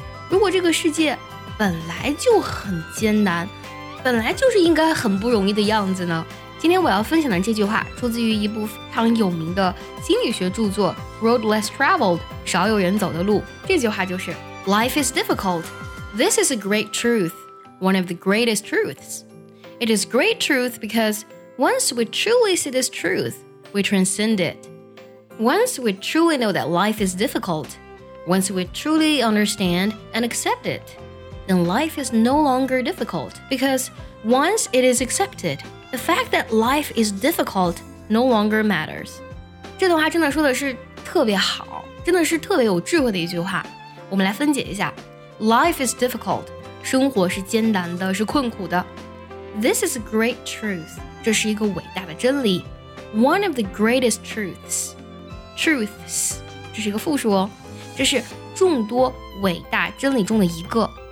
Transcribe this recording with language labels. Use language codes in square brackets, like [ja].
[zh] 如果这个世界本来就很艰难本来就是应该很不容易的样子呢今天我要分享的这句话出自于一部非常有名的心理学著作 Road Less Traveled 少有人走的路这句话就是 [en] Life is difficult. This is a great truth, one of the greatest truths. It is great truth because once we truly see this truth, we transcend it. Once we truly know that life is difficult, once we truly understand and accept it, then life is no longer difficult. Because once it is accepted, the fact that life is difficult no longer matters. [zh] 这段话真的说的是特别好，真的是特别有智慧的一句话。我们来分解一下 [en] Life is difficult [zh] 生活是艰难的是困苦的 [en] This is a great truth [zh] 这是一个伟大的真理 [en] One of the greatest truths Truths [zh] 这是一个复数哦这是众多伟大真理中的一个